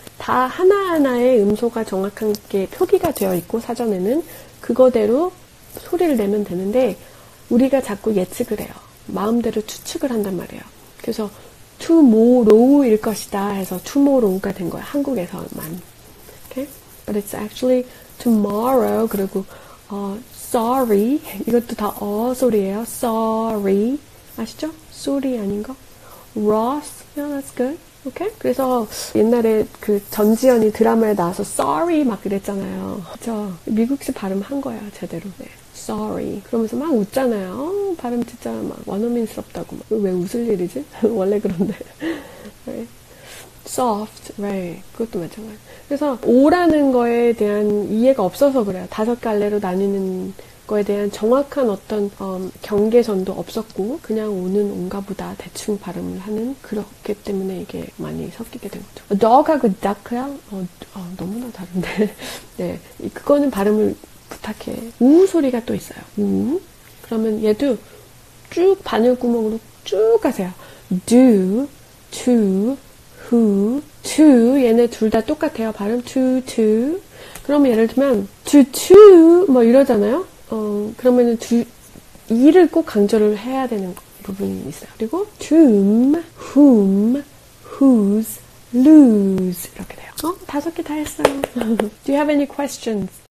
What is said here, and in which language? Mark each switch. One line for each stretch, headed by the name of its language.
Korean: 다 하나하나의 음소가 정확하게 표기가 되어 있고 사전에는 그거대로 소리를 내면 되는데 우리가 자꾸 예측을 해요. 마음대로 추측을 한단 말이에요. 그래서 tomorrow일 것이다 해서 tomorrow가 된 거예요, 한국에서만.
English: Okay? But it's actually tomorrow, 그리고 sorry,
Korean: 이것도 다 소리예요. sorry, 아시죠? 소리 아닌 거?
English: Ross, yeah, that's good, okay?
Korean: 그래서 옛날에 그 전지현이 드라마에 나와서 sorry 막 그랬잖아요. 그쵸? 미국식 발음 한 거예요, 제대로. 네. sorry, 그러면서 막 웃잖아요. 발음 진짜 막 원어민스럽다고. 막. 왜 웃을 일이지? 원래 그런데.
English: Right. Soft, right.
Korean: 그것도 마찬가지. 그래서 O라는 거에 대한 이해가 없어서 그래요. 다섯 갈래로 나뉘는 거에 대한 정확한 어떤 경계선도 없었고 그냥 O는 O인가 보다 대충 발음을 하는, 그렇기 때문에 이게 많이 섞이게 된 거죠. Dog하고 duck야? 너무나 다른데. 네, 그거는 발음을 부탁해. U 소리가 또 있어요. U. 그러면 얘도 쭉 바늘구멍으로 쭉 가세요. Do, to. who, to 얘네 둘 다 똑같아요. 발음 to, to. 그러면 예를 들면 to, to 뭐 이러잖아요. 그러면은 to, 이를 꼭 강조를 해야 되는 부분이 있어요. 그리고 to, whom, whose, lose 이렇게 돼요. 어? 다섯 개 다 했어요.
English: Do you have any questions?